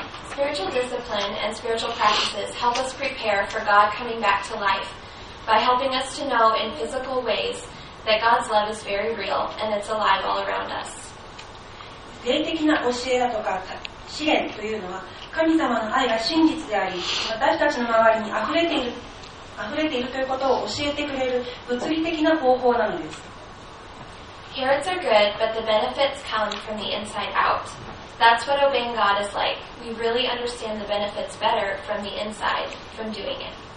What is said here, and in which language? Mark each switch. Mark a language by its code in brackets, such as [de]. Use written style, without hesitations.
[en] Spiritual discipline and spiritual practices help us prepare for God coming back to life by helping us to know in physical ways that God's love is very real and it's alive all around us. [ja] 霊的な教えだとか試練というのは神様の愛が真実であり私たちの周りに溢れているということを教えてくれる物理的な方法なのです。 [en] Parents are good, but the benefits come from the inside out. That's what obeying God is like. We really understand the benefits better from the inside, from doing it.